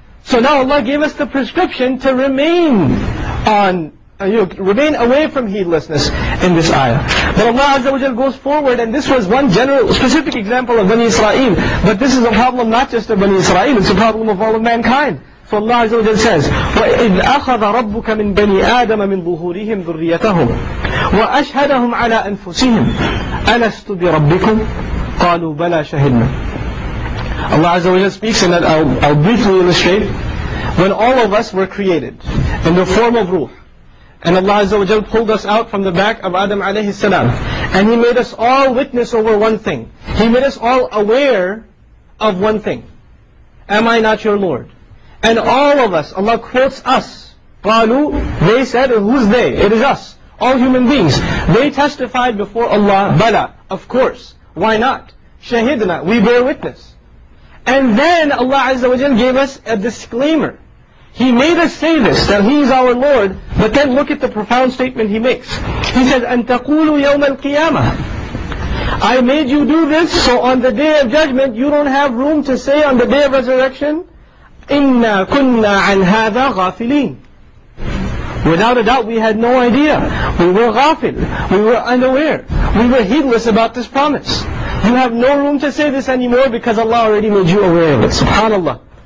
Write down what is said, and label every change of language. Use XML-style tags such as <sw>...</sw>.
<en>So now Allah gave us the prescription to remain on, remain away from heedlessness in this ayah. But Allah Azza wa Jalla goes forward, and this was one general, specific example of Bani Israel. But this is a problem not just of Bani Israel, it's a problem of all of mankind. So Allah Azza wa Jalla says,</en> <ar>وَإِذْ أَخَذَ رَبُّكَ مِنْ بَنِي آدَمَ مِنْ ظُهُورِهِمْ ذُرِّيَّتَهُمْ وَأَشْهَدَهُمْ عَلَىٰ أَنفُسِهِمْ أَلَسْتُ بِرَبِّكُمْ قَالُوا بَلَىٰ شَهِدْنَا.</ar> <en>Allah Azza wa Jalla speaks, and I'll briefly illustrate. When all of us were created in the form of ruh, and Allah Azza wa Jalla pulled us out from the back of Adam alayhi salam, and He made us all witness over one thing. He made us all aware of one thing. Am I not your Lord? And all of us, Allah quotes us. قَالُوا, they said, who's they? It is us. All human beings. They testified before Allah, بَلَىٰ, of course. Why not? شَهِدْنَا, we bear witness. And then Allah Azza wa Jalla gave us a disclaimer. He made us say this, that He is our Lord, but then look at the profound statement He makes. He says,</en> <ar>أَنْتَقُولُ يَوْمَ الْقِيَامَةِ.</ar> <en>I made you do this, so on the Day of Judgment, you don't have room to say on the Day of Resurrection,</en> <ar>إِنَّا كُنَّا عَنْ هَذَا غَافِلِينَ.</ar> <en>Without a doubt, we had no idea. We were ghafil. We were unaware. We were heedless about this promise. You have no room to say this anymore because Allah already made you aware of it. SubhanAllah.</en>